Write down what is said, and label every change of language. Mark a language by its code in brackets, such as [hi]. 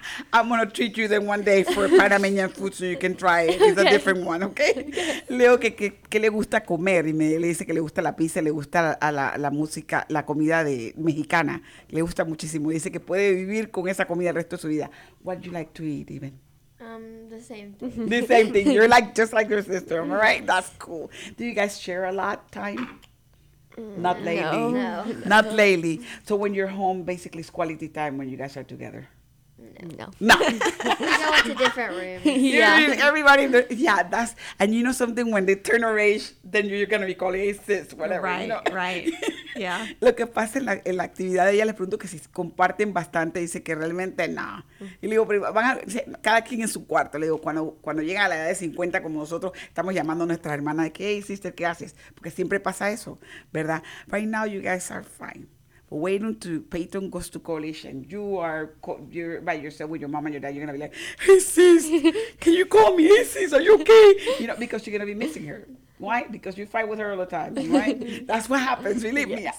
[en] I'm going to treat you then one day for Panamanian food so you can try it. It's okay. A different one, okay? Leo, [es] ¿qué le gusta comer? Y me dice que le gusta la pizza, le gusta la música, la comida de mexicana. Le gusta muchísimo. Dice que puede vivir con esa comida el resto de su vida. [en] What do you like to eat, even? The same thing. You're like just like your sister. All right, that's cool. Do you guys share a lot of time? Not lately. No. Not lately. So when you're home, basically it's quality time when you guys are together. No. We go into different rooms. Yeah. You're everybody. Yeah. That's. And you know something? When they turn orange, then you're gonna be calling, hey, sis, whatever. Right. You know? Right. Yeah. [es] Lo que pasa en la actividad de ella, le pregunto que si comparten bastante, dice que realmente no. Y le digo, pero cada quien en su cuarto. Le digo, cuando llegan a la edad de 50, como nosotros, estamos llamando a nuestra hermana, de que, [en] hey, sister, [es] ¿qué haces? Porque siempre pasa eso, ¿verdad? [en] Right now, you guys are fine. But wait until Peyton goes to college and you're by yourself with your mom and your dad, you're going to be like, hey, sis, can you call me? Hey, sis, are you okay? You know, because you're going to be missing her. Why? Because you fight with her all the time, right? That's what happens, believe yes.